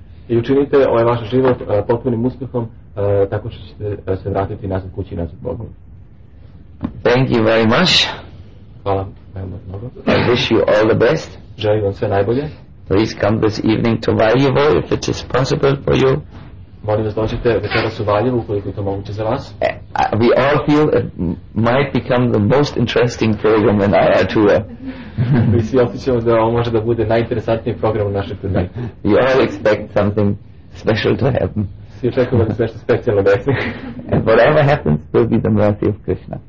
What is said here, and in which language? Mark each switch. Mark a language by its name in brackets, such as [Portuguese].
[Serbian] I učinite ovaj vaš život potpunim uspjehom tako što ćete se vratiti nazad kući, nazad Bogu. [English] Thank you very much. [Serbian] Hvala vam mnogo. [English] I wish you all the best. [Serbian] Želim vam sve najbolje. [English] Please come this evening to Valjevo if it is possible for you. [Serbian] Molim vas dođite večeras u Valjevo ukoliko je to moguće za vas. [English] We all feel it might become the most interesting program in our tour. [Serbian] Mi svi osjećamo da ovo može da bude najinteresantniji program u našoj turneji. [English] We all expect something special to happen. [Serbian] Svi očekujemo da se nešto specijalno desi. [English] And whatever happens will be the mercy of Krishna.